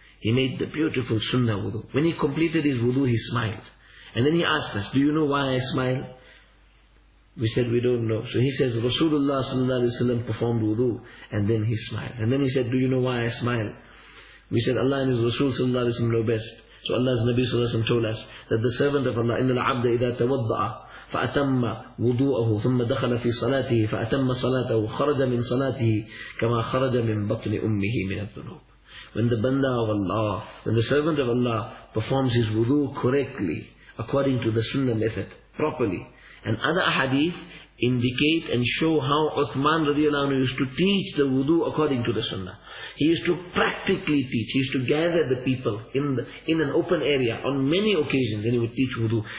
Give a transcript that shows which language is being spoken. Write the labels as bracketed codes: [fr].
[en] He made the beautiful sunnah wudu. When he completed his wudu, he smiled. And then he asked us, do you know why I smile? We said, we don't know. So he says, Rasulullah sallallahu alayhi wa sallam performed wudu, and then he smiled. And then he said, do you know why I smile? We said, Allah and His Rasul sallallahu alayhi wa sallam know best. So Allah's Nabi sallallahu alayhi wa sallam told us that the servant of Allah, [ar] إِنَّ الْعَبْدَ إِذَا تَوَضَّعَ فَأَتَمَّ وُضُوءَهُ ثُمَّ دَخَلَ فِي صَلَاتِهِ فَأَتَمَّ صَلَاتَهُ خَرَجَ مِن صَلَاتِهِ كَمَا خَرَجَ مِن بَطْنِ أُمِّهِ مِنَ الذُّنُوبِ. [en] When the banda of Allah, when the servant of Allah performs his wudu correctly, according to the sunnah method, properly, and other ahadith indicate and show how Uthman radiallahu anhu used to teach the wudu according to the sunnah. He used to practically teach. He used to gather the people in an open area on many occasions and he would teach wudu.